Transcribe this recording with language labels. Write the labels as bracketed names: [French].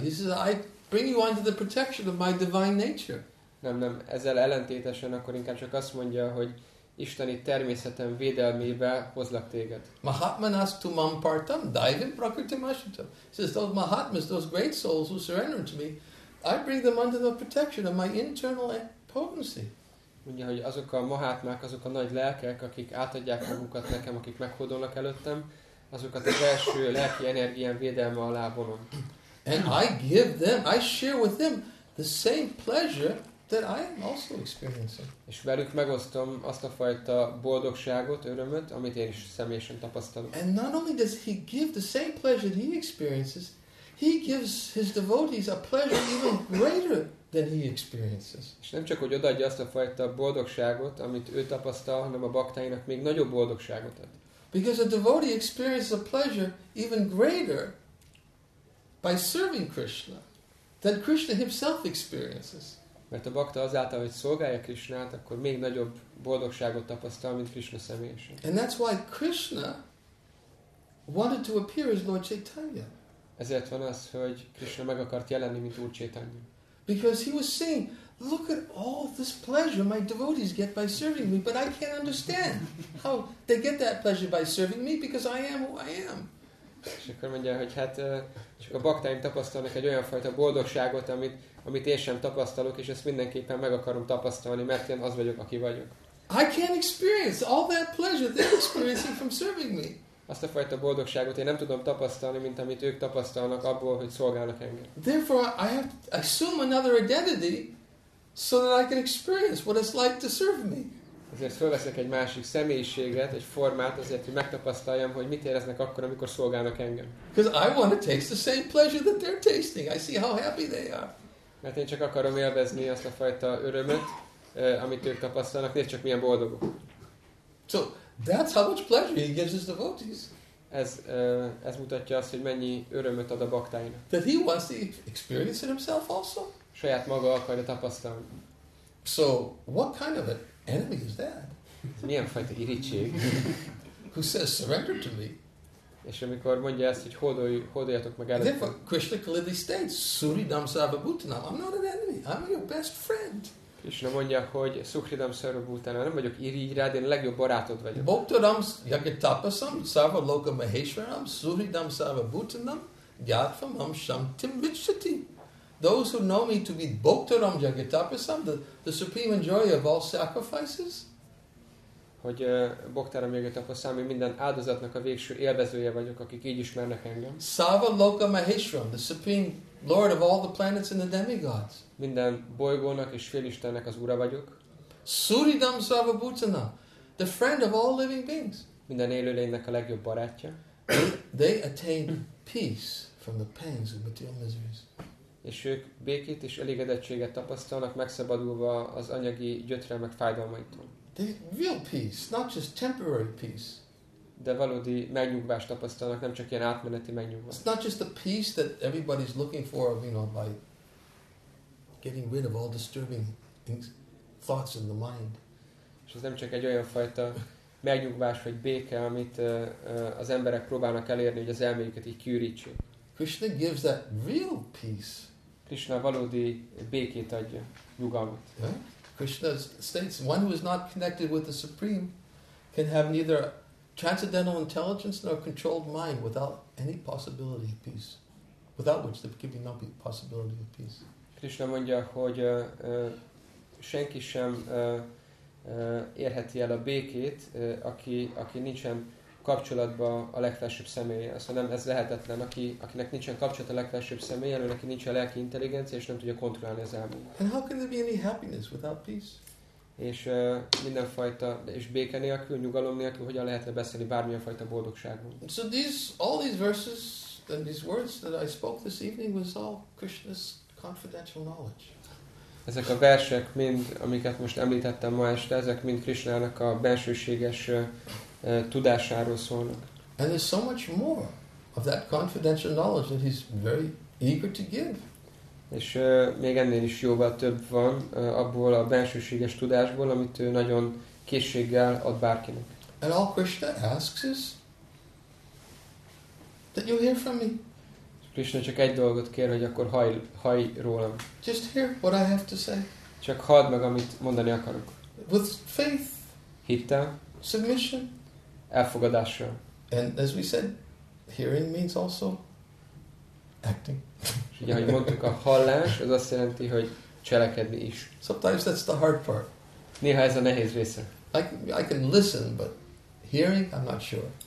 [English] He says, I bring you under the protection of my divine nature. [Hungarian] Nem, ezzel ellentétesen akkor inkább csak azt mondja, hogy isteni természetem védelmébe hozlak téged. [Sanskrit] Mahatmanas tumam partam, daivam prakritam ashrita. [English] He says, those mahatmas, those great souls who surrender to me, I bring them under the protection of my internal potency. [Hungarian] Mondja, hogy azok a mahátmák, azok a nagy lelkek, akik átadják magukat nekem, akik meghódolnak előttem, azokat az első lelki energián védelme alá vonom. [English] And I give them, I share with them the same pleasure that I am also experiencing. [Hungarian] És velük megosztom azt a fajta boldogságot, örömöt, amit én is személyesen tapasztalom. [English] And not only does he give the same pleasure that he experiences, he gives his devotees a pleasure even greater than he experiences. [Hungarian] És nem csak, hogy odaadja azt a fajta boldogságot, amit ő tapasztal, hanem a baktáinak még nagyobb boldogságot ad. [English] Because a devotee experiences a pleasure even greater by serving Krishna than Krishna himself experiences. [Hungarian] Mert a bakta azáltal, hogy szolgálja Krishnát, akkor még nagyobb boldogságot tapasztal, mint Krishna személyesen. [English] And that's why Krishna wanted to appear as Lord Chaitanya. [Hungarian] Ezért van az, hogy Krishna meg akart jelenni, mint Úr Chaitanya. [English] Because he was saying, look at all this pleasure my devotees get by serving me, but I can't understand how they get that pleasure by serving me, because I am who I am. [Hungarian] És akkor mondja, hogy hát csak a baktáim tapasztalnak egy olyan fajta boldogságot, amit én sem tapasztalok, és ezt mindenképpen meg akarom tapasztalni, mert én az vagyok, aki vagyok. [English] I can't experience all that pleasure they're experiencing from serving me. [Hungarian] Azt a fajta boldogságot én nem tudom tapasztalni, mint amit ők tapasztalnak abból, hogy szolgálnak engem. [English] Therefore, I have to assume another identity so that I can experience what it's like to serve me. [Hungarian] Ezért felveszek egy másik személyiséget, egy formát, azért, hogy megtapasztaljam, hogy mit éreznek akkor, amikor szolgálnak engem. [English] Because I want to taste the same pleasure that they're tasting. I see how happy they are. [Hungarian] Mert én csak akarom élvezni azt a fajta örömet, amit ők tapasztalnak. Nézd csak, milyen boldogok. [English] So, that's how much pleasure he gives his devotees. [Hungarian] Ez mutatja azt, hogy mennyi örömöt ad a baktáinak. [English] That he wants to experience it himself also. [Hungarian] Saját maga akarja tapasztalni. [English] So, what kind of an enemy is that? [Hungarian] Milyen fajta irítség? [English] Who says surrender to me? [Hungarian] És amikor mondja ezt, hogy hódoljatok meg előttem. [English] Therefore, Krishna clearly states, [Sanskrit] Suridam Sarvabhutanam, [English] I'm not an enemy, I'm your best friend. [Hungarian] Krishna mondja, hogy [Sanskrit] Sukhridam Sarvabhutanam, [Hungarian] nem vagyok irigy rád, én a legjobb barátod vagyok. [Sanskrit] Bhoktaram Yagyatapasam, Sarvaloka Maheshwaram, Suridam Sarvabhutanam, Gyatvam Ham Shantim Vichyati. [English] Those who know me to be [Sanskrit] Bhoktaram Jagatapasam, [English] the supreme enjoyer of all sacrifices. [Hungarian] Hogy [Sanskrit] Bhoktaram Jagatapasam, [Hungarian] minden áldozatnak a végső élvezője vagyok, akik így ismernek engem. [Sanskrit] Sava Loka Maheshram, [English] the supreme lord of all the planets and the demigods. [Hungarian] Minden bolygónak és félistennek az ura vagyok. [Sanskrit] Suridam Sava Bhutana, [English] the friend of all living beings. [Hungarian] Minden élőlénynek a legjobb barátja. [English] They attain peace from the pains of material miseries. [Hungarian] És ők békét és elégedettséget tapasztalnak, megszabadulva az anyagi gyötrelmek fájdalmaitól. [English] Real peace, not just temporary peace. [Hungarian] De valódi megnyugvást tapasztalnak, nem csak ilyen átmeneti megnyugvást. [English] It's not just the peace that everybody's looking for, you know, by getting rid of all disturbing things, thoughts in the mind. [Hungarian] És ez nem csak egy olyan fajta megnyugvás vagy béke, amit az emberek próbálnak elérni, hogy az elméjüket így kiürítsék. [English] Krishna gives that real peace. [Hungarian] Krishna valódi békét adja, nyugalmat. [English] Yeah? Krishna states, one who is not connected with the Supreme can have neither transcendental intelligence nor controlled mind without any possibility of peace. Without which there can be no possibility of peace. [Hungarian] Krishna mondja, hogy senki sem érheti el a békét, aki nincsen kapcsolatba a legfelsőbb személye. Szóval nem, ez lehetetlen. Akinek nincsen kapcsolat a legfelsőbb személye, ő neki nincsen lelki intelligencia, és nem tudja kontrollálni az elmét. [English] And how can there be any happiness without peace? [Hungarian] És mindenfajta, és béke nélkül, nyugalom nélkül, hogyan lehetne beszélni bármilyen fajta boldogságban. [English] So all these verses and these words that I spoke this evening was all Krishna's confidential knowledge. [Hungarian] Ezek a versek mind, amiket most említettem ma este, ezek mind Krishnának a bensőséges tudásáról szólnak. [English] And there's so much more of that confidential knowledge that he's very eager to give. [Hungarian] És még ennél is jóval több van abból a bensőséges tudásból, amit ő nagyon készséggel ad bárkinek. [English] And all Krishna asks is that you hear from me. [Hungarian] Krishna csak egy dolgot kér, hogy akkor hallj rólam. [English] Just hear what I have to say. [Hungarian] Csak halld meg, amit mondani akarok. [English] With faith. [Hungarian] Hittel. [English] Submission. [Hungarian] Elfogadásra. [English] And as we said, hearing means also acting. [Hungarian] És ugye, ahogy mondtuk, a hallás, az azt jelenti, hogy cselekedni is. [English] Sometimes that's the hard part. [Hungarian] Néha ez a nehéz része. [English] I can listen, but hearing, I'm not sure.